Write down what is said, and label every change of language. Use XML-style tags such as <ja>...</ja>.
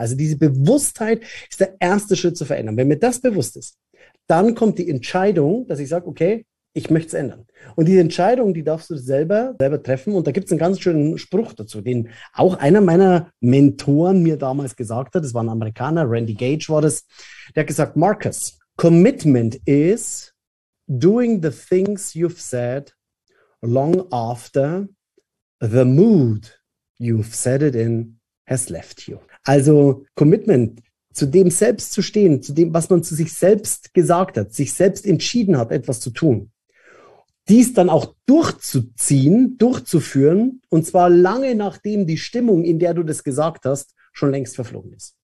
<de>Also diese Bewusstheit ist der erste Schritt zur Veränderung. Wenn mir das bewusst ist, dann kommt die Entscheidung, dass ich sage, okay, ich möchte es ändern. Und diese Entscheidung, die darfst du selber treffen. Und da gibt es einen ganz schönen Spruch dazu, den auch einer meiner Mentoren mir damals gesagt hat. Das war ein Amerikaner, Randy Gage war das. Der hat gesagt, Marcus,</de> <en>Commitment is doing the things you've said long after the mood you've said it in has left you.</en> <de>Also Commitment zu dem selbst zu stehen, zu dem, was man zu sich selbst gesagt hat, sich selbst entschieden hat, etwas zu tun. Dies dann auch durchzuziehen, durchzuführen, und zwar lange nachdem die Stimmung, in der du das gesagt hast, schon längst verflogen ist.</de>